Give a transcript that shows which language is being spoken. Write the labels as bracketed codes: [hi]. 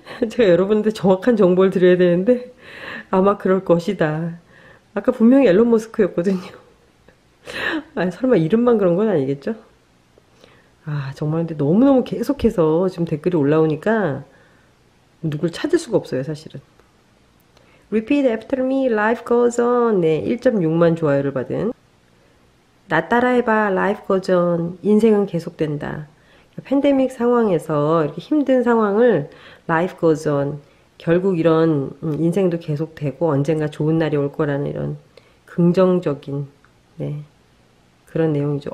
[ko] 제가 여러분한테 정확한 정보를 드려야 되는데 아마 그럴 것이다. 아까 분명히 앨런 머스크였거든요. 아, 설마 이름만 그런 건 아니겠죠? 아, 정말 근데 너무너무 계속해서 지금 댓글이 올라오니까 누굴 찾을 수가 없어요, 사실은. [en] Repeat after me, life goes on. [ko] 네, 1.6만 좋아요를 받은. 나 따라해봐, [en] life goes on. [ko] 인생은 계속된다. 팬데믹 상황에서 이렇게 힘든 상황을 [en] life goes on. [ko] 결국 이런 인생도 계속되고 언젠가 좋은 날이 올 거라는 이런 긍정적인 네. 그런 내용이죠.